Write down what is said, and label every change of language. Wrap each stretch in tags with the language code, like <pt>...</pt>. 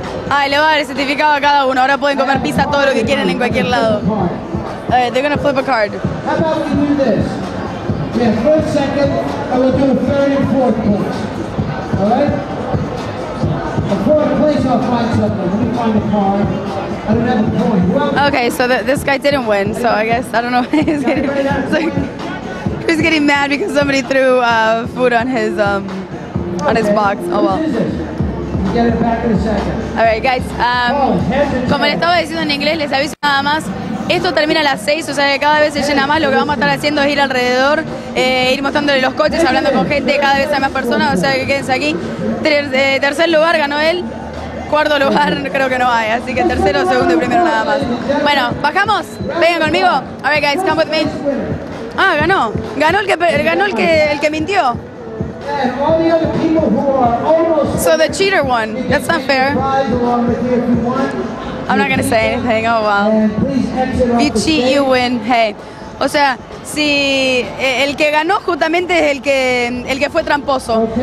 <es>Ay, le voy a dar el certificado a cada uno. Ahora pueden comer pizza todo lo que quieren en cualquier lado.</es> <en>Alright, they're gonna flip a card. How about we do this? We have first, second, and we'll do a third and fourth place. Alright? A fourth place, I'll find something. Let me find a card. I don't have a point. Well, okay, so this guy didn't win, so I guess, I don't know why he's getting... He's getting mad because somebody threw food on his box. Oh well. Get it back in a second. All right, guys.</en> <es>Como les estaba diciendo en inglés, les aviso nada más. Esto termina a las 6, o sea que cada vez se llena más. Lo que vamos a estar haciendo es ir alrededor, ir mostrándole los coches, hablando con gente. Cada vez hay más personas, o sea que quédense aquí. Tercer lugar ganó él. Cuarto lugar creo que no hay. Así que tercero, segundo y primero nada más. Bueno, bajamos. Vengan conmigo.</es> <en>All right, guys, come with me.</en> <es>Ah, ganó. Ganó el que mintió.</es> <en>And all the other people who are almost so the cheater won. That's not fair. I'm not going to say anything. Oh, wow. You cheat, you win. Hey.</en> <es>O sea, si el que ganó justamente es el que fue tramposo.</es>